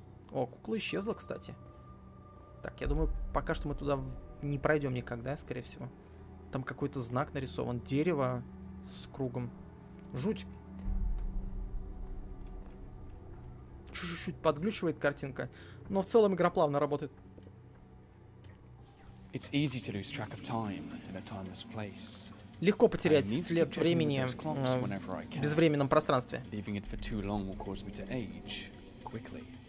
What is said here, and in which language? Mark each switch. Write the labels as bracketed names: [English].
[Russian] О, кукла исчезла, кстати. Так, я думаю, пока что мы туда не пройдем никогда, скорее всего. Там какой-то знак нарисован. Дерево с кругом. Жуть. Чуть-чуть подглючивает картинка. Но в целом игра плавно работает. [English] It's easy to lose track of time in a timeless place. [Russian] Легко потерять след времени в безвременном пространстве. [English] Leaving it for too long will cause me to age quickly.